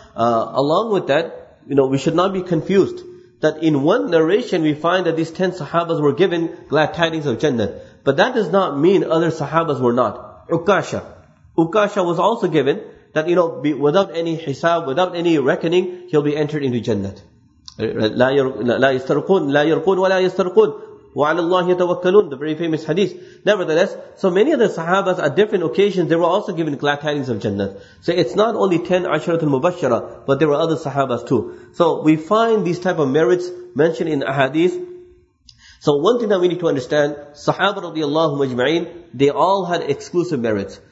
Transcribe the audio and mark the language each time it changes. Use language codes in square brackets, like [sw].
[en] Along with that, you know, we should not be confused that in one narration we find that these 10 Sahabas were given glad tidings of Jannah. But that does not mean other Sahabas were not. Ukasha was also given that, you know, without any hisab, without any reckoning, he'll be entered into Jannah. [ar] لا يسترقون ولا يسترقون وعلى الله يتوكلون, [en] the very famous hadith. Nevertheless, so many of the Sahabas at different occasions, they were also given glad tidings of Jannah. So it's not only 10 Asharatul Mubashara, but there were other Sahabas too. So we find these type of merits mentioned in ahadith. So one thing that we need to understand, Sahaba radiallahu majma'in, they all had exclusive merits.